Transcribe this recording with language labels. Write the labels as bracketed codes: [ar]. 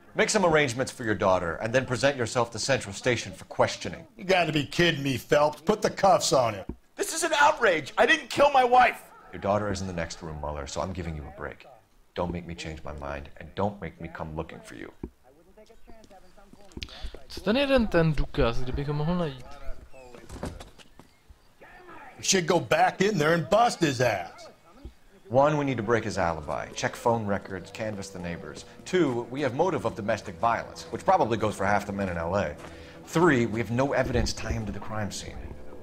[en] Make some arrangements for your daughter, and then present yourself to Central Station for questioning. You gotta be kidding me, Phelps. Put the cuffs on him. This is an outrage. I didn't kill my wife. Your daughter is in the next room, Mueller, so I'm giving you a break. Don't make me change my mind, and don't make me come looking for you. [cs] Co ten jeden ten důkaz, kdybych ho mohl najít? [en] You should go back in there and bust his ass. One, we need to break his alibi. Check phone records, canvass the neighbors. Two, we have motive of domestic violence, which probably goes for half the men in LA. Three, we have no evidence tying him to the crime scene.